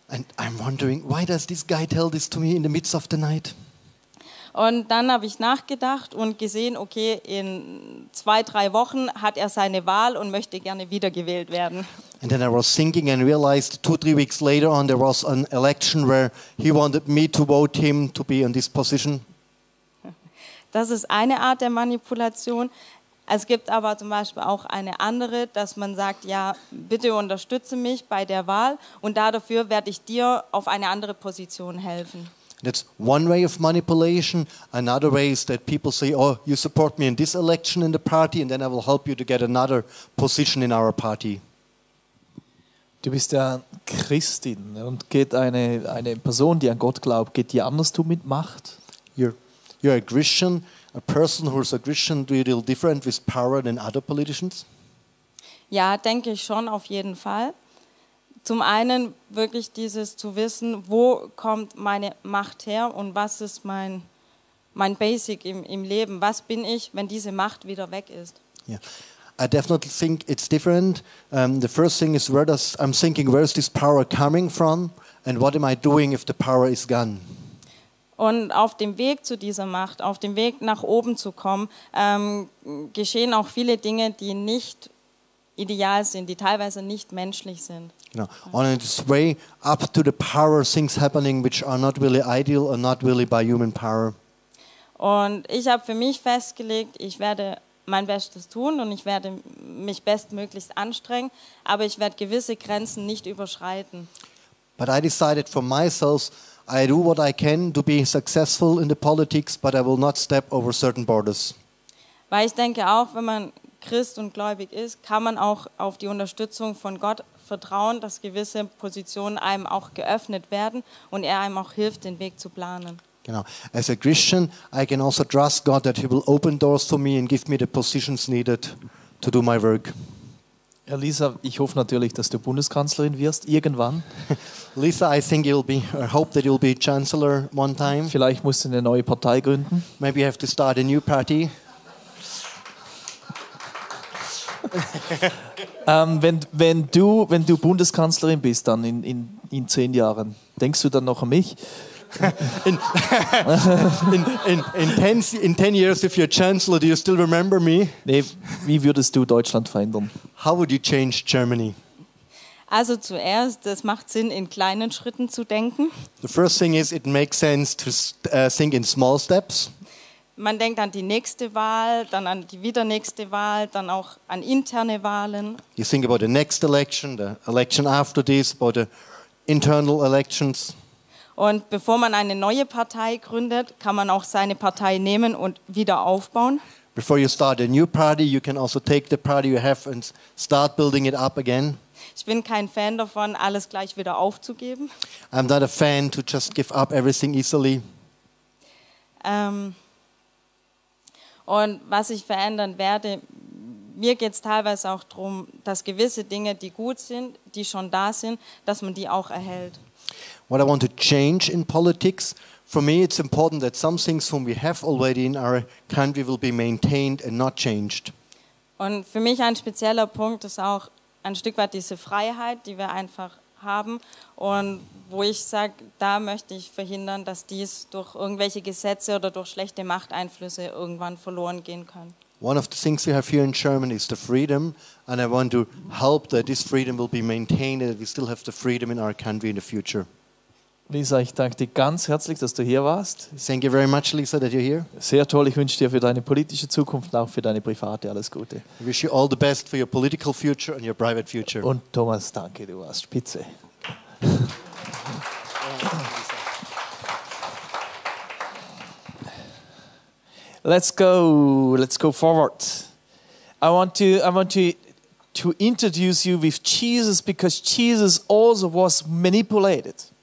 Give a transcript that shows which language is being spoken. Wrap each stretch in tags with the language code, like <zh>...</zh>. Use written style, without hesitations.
<en>And I'm wondering, why does this guy tell this to me in the midst of the night?</en> <de>Und dann habe ich nachgedacht und gesehen, okay, in 2-3 Wochen hat er seine Wahl und möchte gerne wiedergewählt werden.</de> <en>And then I was thinking and realized 2-3 weeks later on there was an election where he wanted me to vote him to be in this position.</en> <de>Das ist eine Art der Manipulation. Es gibt aber zum Beispiel auch eine andere, dass man sagt, ja, bitte unterstütze mich bei der Wahl und dafür werde ich dir auf eine andere Position helfen.</de> <en>That's one way of manipulation. Another way is that people say, oh, you support me in this election in the party and then I will help you to get another position in our party.</en> <de>Du bist ja Christin und geht eine Person, die an Gott glaubt, geht die anders tun mit Macht?</de> <en>You're a Christian. A person who is a Christian, do you deal different with power than other politicians?</en> <de>Ja, denke ich schon, auf jeden Fall. Zum einen wirklich dieses zu wissen, wo kommt meine Macht her und was ist mein Basic im Leben? Was bin ich, wenn diese Macht wieder weg ist?</de> <en>Yeah, I definitely think it's different. The first thing is, where is this power coming from and what am I doing if the power is gone?</en> <de>Und auf dem Weg zu dieser Macht, auf dem Weg nach oben zu kommen, geschehen auch viele Dinge, die nicht ideal sind, die teilweise nicht menschlich sind.</de> <en>You know, on its way up to the power, things happening which are not really ideal and not really by human power.</en> <de>Und ich habe für mich festgelegt, ich werde mein Bestes tun und ich werde mich bestmöglichst anstrengen, aber ich werde gewisse Grenzen nicht überschreiten.</de> <en>But I decided for myself, I do what I can to be successful in the politics, but I will not step over certain borders.</en> <de>Weil ich denke auch, wenn man Christ und gläubig ist, kann man auch auf die Unterstützung von Gott vertrauen, dass gewisse Positionen einem auch geöffnet werden und er einem auch hilft, den Weg zu planen. Genau.</de> <en>As a Christian, I can also trust God that he will open doors for me and give me the positions needed to do my work.</en> <de>Lisa, ich hoffe natürlich, dass du Bundeskanzlerin wirst, irgendwann.</de> <en>Lisa, I hope that you'll be Chancellor one time.</en> <de>Vielleicht musst du eine neue Partei gründen.</de> <en>Maybe you have to start a new party.</en> <de>wenn du Bundeskanzlerin bist, dann in 10 Jahren, denkst du dann noch an mich?</de> <en>in 10 years, if you're Chancellor, do you still remember me?</en> <de>Nee, wie würdest du Deutschland verändern?</de> <en>How would you change Germany?</en> <de>Also zuerst, es macht Sinn, in kleinen Schritten zu denken.</de> <en>The first thing is, it makes sense to think in small steps.</en> <de>Man denkt an die nächste Wahl, dann an die wieder nächste Wahl, dann auch an interne Wahlen.</de> <en>You think about the next election, the election after this, about the internal elections.</en> <de>Und bevor man eine neue Partei gründet, kann man auch seine Partei nehmen und wieder aufbauen.</de> <en>Before you start a new party, you can also take the party you have and start building it up again.</en> <de>Ich bin kein Fan davon, alles gleich wieder aufzugeben.</de> <en>I'm not a fan to just give up everything easily.</en> <de>Und was ich verändern werde, mir geht es teilweise auch darum, dass gewisse Dinge, die gut sind, die schon da sind, dass man die auch erhält.</de> <en>What I want to change in politics, for me it's important that some things whom we have already in our country will be maintained and not changed.</en> <de>Und für mich ein spezieller Punkt ist auch ein Stück weit diese Freiheit, die wir einfach haben und wo ich sage, da möchte ich verhindern, dass dies durch irgendwelche Gesetze oder durch schlechte Machteinflüsse irgendwann verloren gehen kann.</de> <en>One of the things we have here in Germany is the freedom, and I want to help that this freedom will be maintained and that we still have the freedom in our country in the future.</en> <de>Lisa, ich danke dir ganz herzlich, dass du hier warst.</de> <en>Thank you very much, Lisa, that you're here.</en> <de>Sehr toll, ich wünsche dir für deine politische Zukunft und auch für deine private alles Gute.</de> <en>I wish you all the best for your political future and your private future.</en> <de>Und Thomas, danke, du warst spitze.</de> <en>Let's go forward. I want to introduce you with Jesus, because Jesus also was manipulated.</en>